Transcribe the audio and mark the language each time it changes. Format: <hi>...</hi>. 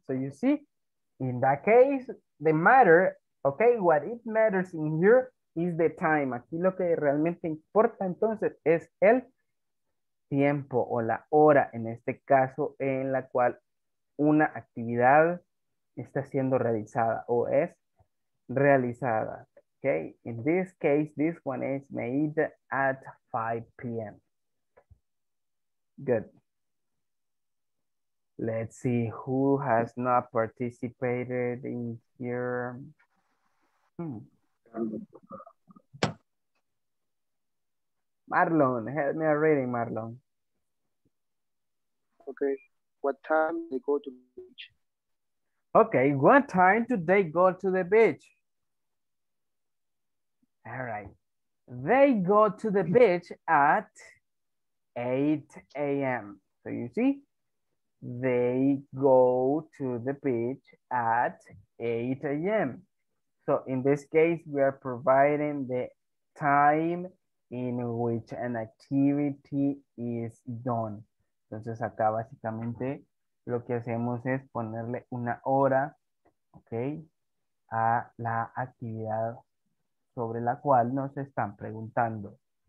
<en>So you see, in that case, the matter, okay, what it matters in here is the time.</en> <es>Aquí lo que realmente importa entonces es el tiempo o la hora, en este caso, en la cual una actividad está siendo realizada o es realizada.</es> <en>Okay, in this case, this one is made at 5 p.m. Good. Let's see who has not participated in here. Marlon, help me reading, Marlon. Okay, what time they go to the beach? Okay, what time do they go to the beach? All right. They go to the beach at 8 a.m. So you see, they go to the beach at 8 a.m. So in this case, we are providing the time in which an activity is done.</en> <es>Entonces acá básicamente lo que hacemos es ponerle una hora, okay, a la actividad sobre la cual nos están preguntando.</es>